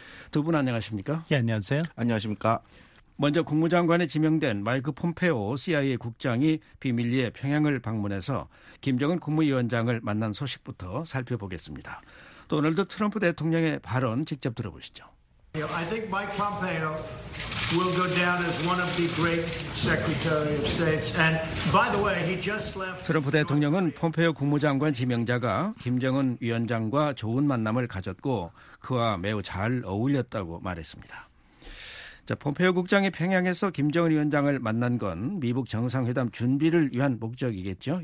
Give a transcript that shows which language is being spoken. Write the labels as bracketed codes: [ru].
[ko] 두 분 안녕하십니까? 예, 안녕하세요. 안녕하십니까? 먼저 국무장관에 지명된 마이크 폼페오 CIA 국장이 비밀리에 평양을 방문해서 김정은 국무위원장을 만난 소식부터 살펴보겠습니다. 또 오늘도 트럼프 대통령의 발언 직접 들어보시죠. [en] I think Mike Pompeo will go down as one of the great Secretary of States. And by the way, he just left. [ko] 트럼프 대통령은 폼페오 국무장관 지명자가 김정은 위원장과 좋은 만남을 가졌고 그와 매우 잘 어울렸다고 말했습니다. 자, 폼페오 국장이 평양에서 김정은 위원장을 만난 건 미북 정상회담 준비를 위한 목적이겠죠?